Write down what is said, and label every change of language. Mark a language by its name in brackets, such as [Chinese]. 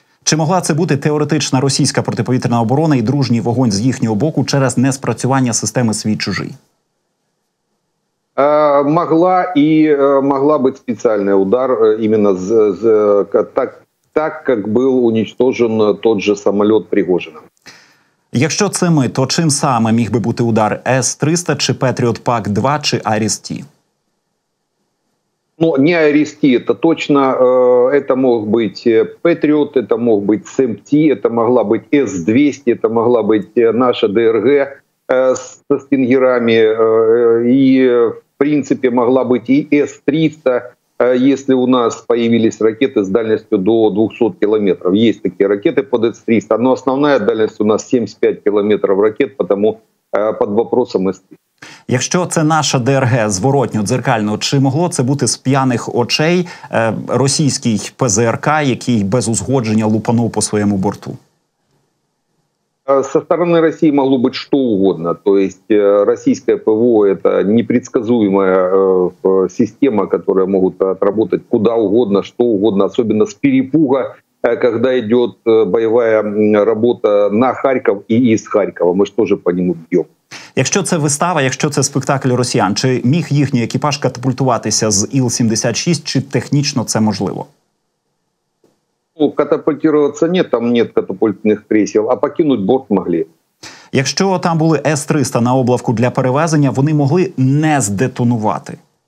[Ukrainian] Чи могла це бути теоретична російська протиповітряна оборона і дружній вогонь з їхнього боку через неспрацювання системи «Свій-чужий»? Могла і могла бути спеціальний удар іменно з так, так, як був уничтожен той же самоліт Пригожина. Якщо це ми, то чим саме міг би бути удар? С-300 чи Patriot PAC-2 чи Аріс-Ті? Ну, не Аріс-Ті, це точно. Це мог бути Patriot, це мог бути СМТ, це могла бути С-200, це могла бути наша ДРГ зі стінгерами. І, в принципі, могла бути і С-300. [Russian] Если у нас появились ракеты с дальностью до 200 километров. Есть такие ракеты под С-300, но основная дальность у нас 75 километров ракет, потому под вопросом С-300. [Ukrainian] Якщо це наша ДРГ, зворотню, дзеркальну, чи могло це бути з п'яних очей російський ПЗРК, який без узгодження лупанув по своєму борту? [Russian] Со стороны России могло быть что угодно. То есть российское ПВО – это непредсказуемая система, которая могут отработать куда угодно, что угодно, особенно с перепуга, когда идет боевая работа на Харьков и из Харькова. Мы же тоже по нему бьем. [Ukrainian] Якщо це вистава, якщо це спектакль росіян, чи міг їхній екіпаж катапультуватися з Іл-76, чи технічно це можливо? Катапультироваться ні, там ні катапультних крісел, а покинути борт могли. Якщо там були С-300 на облавку для перевезення, вони могли не здетонувати?